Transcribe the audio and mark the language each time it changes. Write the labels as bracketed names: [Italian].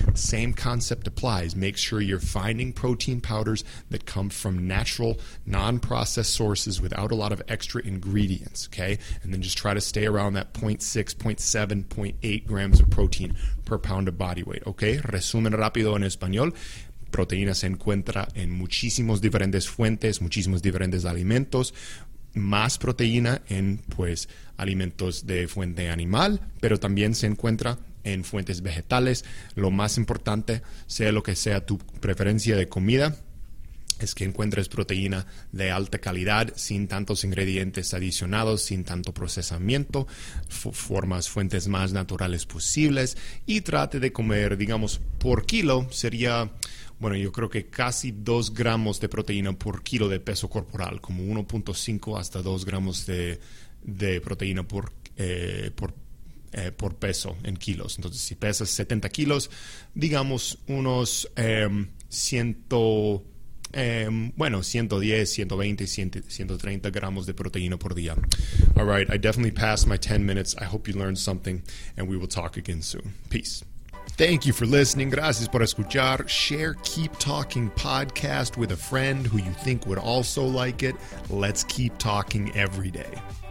[English] Same concept applies. Make sure you're finding protein powders that come from natural, non-processed sources without a lot of extra ingredients, okay? And then just try to stay around that 0.6, 0.7, 0.8 grams of protein per pound of body weight, okay? [Spanish] Resumen rápido en español. Proteína se encuentra en muchísimos diferentes fuentes, muchísimos diferentes alimentos. Más proteína en, pues, alimentos de fuente animal, pero también se encuentra en fuentes vegetales. Lo más importante, sea lo que sea tu preferencia de comida, es que encuentres proteína de alta calidad, sin tantos ingredientes adicionados, sin tanto procesamiento, formas fuentes más naturales posibles, y trate de comer, digamos, por kilo, sería, bueno, yo creo que casi 2 gramos de proteína por kilo de peso corporal, como 1.5 hasta 2 gramos de proteína por peso en kilos. Entonces, si pesas 70 kilos, digamos unos 110, 120, 130 gramos de proteína por día. [English] All right, I definitely passed my 10 minutes. I hope you learned something, and we will talk again soon. Peace. Thank you for listening. [Spanish] Gracias por escuchar. [English] Share Keep Talking Podcast with a friend who you think would also like it. Let's keep talking every day.